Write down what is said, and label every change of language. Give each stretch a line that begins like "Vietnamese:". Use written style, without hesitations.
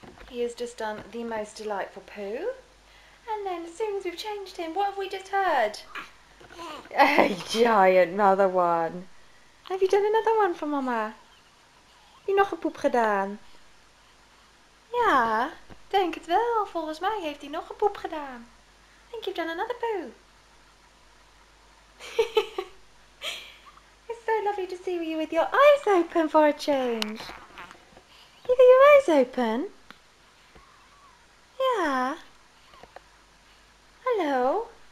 English: He has just done the most delightful poo. And then as soon as we've changed him, what have we just heard? A giant mother one. Have you done another one for mama?
Dutch: Heb je nog een poep gedaan? Ja, denk het wel. Volgens mij heeft hij nog een poep gedaan.
English: I think you've done another poo. It's so lovely to see you with your eyes open for a change. You got your eyes open? Yeah. Hello.